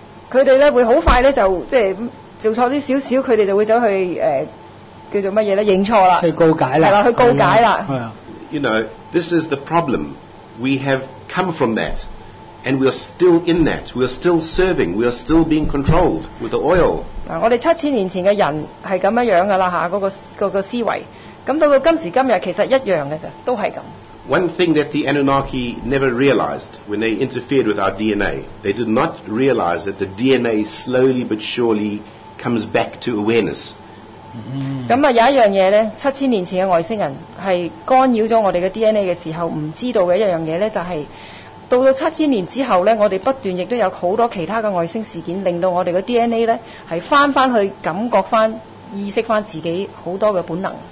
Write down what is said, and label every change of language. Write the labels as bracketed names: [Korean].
[Cantonese] 佢哋咧會好快咧就即係做錯啲少少，佢哋就會走去叫做乜嘢咧？認錯啦，去告解啦，係啦，去告解啦。 [English] You know, this is the problem. We have come from that, and we are still in that. We are still serving. We are still being controlled with the oil. [Cantonese] 我哋七千年前嘅人係咁樣噶啦嚇，那個思維。咁到今時今日，其實一樣嘅啫，都係咁。 [English] One thing that the Anunnaki never realized when they interfered with our DNA, they did not realize that the DNA slowly but surely comes back to awareness. [Cantonese] 咁有一樣嘢咧，七千年前嘅外星人係干擾咗我哋嘅 DNA 嘅時候，唔知道嘅一樣嘢咧，就係到咗七千年之後咧，我哋不斷亦都有好多其他嘅外星事件，令到我哋嘅 DNA 咧係翻翻去感覺翻、意識翻自己好多嘅本能。